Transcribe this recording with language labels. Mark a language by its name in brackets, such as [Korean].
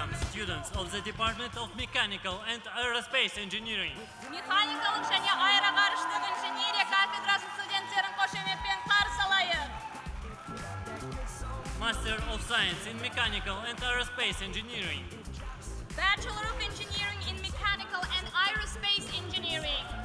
[English] Students of the Department of Mechanical and Aerospace Engineering. [Kazakh] Механикалық және аэроғарыштық инженерия кафедрасының студенттерін қошеметпен қарсы алайық. [English] Master of Science in Mechanical and Aerospace Engineering. Bachelor of Engineering in Mechanical and Aerospace Engineering.